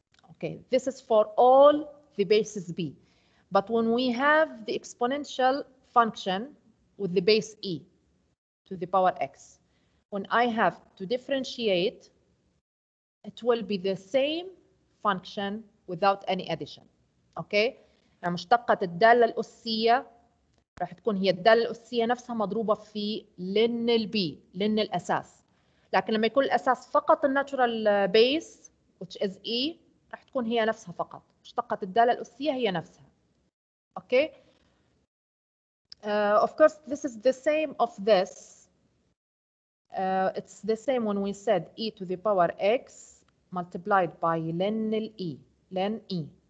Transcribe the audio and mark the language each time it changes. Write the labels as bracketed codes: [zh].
[en] Okay, this is for all the bases b. But when we have the exponential function with the base e, to the power x. When I have to differentiate, it will be the same function without any addition. Okay? [ar] مشتقة الدالة الأسية راح تكون هي الدالة الأسية نفسها مضروبة في ln b, ln الأساس. لكن لما يكون الأساس فقط الناتشورال بيس, [en] which is e, [ar] راح تكون هي نفسها فقط. مشتقة الدالة الأسية هي نفسها. [en] Okay? Of course, this is the same of this. It's the same when we said e to the power x multiplied by ln e, ln e.